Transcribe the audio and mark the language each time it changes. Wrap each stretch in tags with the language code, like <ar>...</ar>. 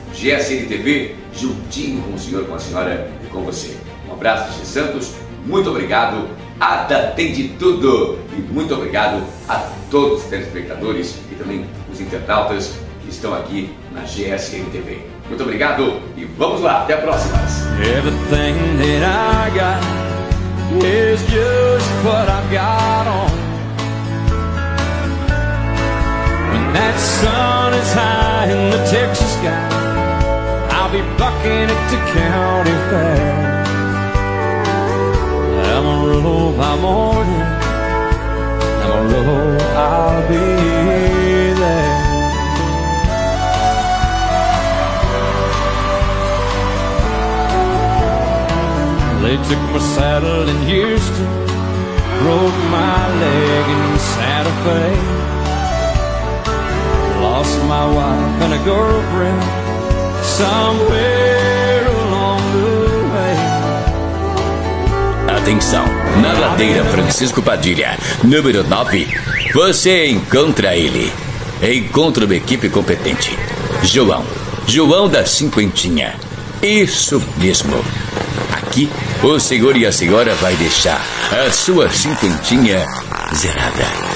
<pt>GSN TV, juntinho com o senhor, com a senhora e com você. Um abraço, Gê Santos. Muito obrigado, Ada tem de tudo. E muito obrigado a todos os telespectadores e também os internautas que estão aqui na GSN TV. Muito obrigado e vamos lá, até a próxima.</pt> <en>Everything that I got is just what I got on. When that sun is high in the Texas sky, I'll be bucking it to county fair. I'm a robot morning, I'm a robot, I'll be there. They took my saddle in Houston, broke my leg in Santa Fe. Lost my wife and a girlfriend somewhere along the way.</en> <pt>Atenção, na ladeira Francisco Padilha, número 9, você encontra ele. Encontra uma equipe competente. João, João da Cinquentinha. Isso mesmo. Aqui, o senhor e a senhora vai deixar a sua cinquentinha zerada.</pt>